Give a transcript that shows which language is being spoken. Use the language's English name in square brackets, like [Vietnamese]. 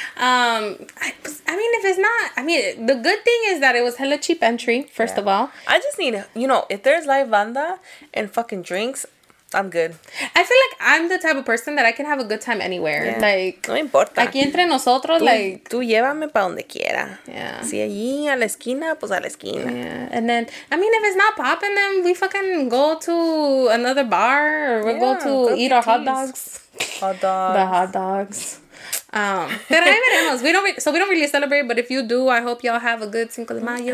[English] The good thing is that it was hella cheap entry, first of all. I just need, you know, if there's live banda and fucking drinks, I'm good. I feel like I'm the type of person that I can have a good time anywhere. Yeah. Like, [Spanish] no importa. Aquí entre nosotros, tú llévame para donde quiera. [English] Yeah. [Spanish] Si allí, a la esquina, pues a la esquina. [English] Yeah. And then, I mean, if it's not popping, then we fucking go to another bar or we'll go eat our hot dogs. Hot dogs. But I don't know. We don't really celebrate, but if you do, I hope y'all have a good Cinco de Mayo.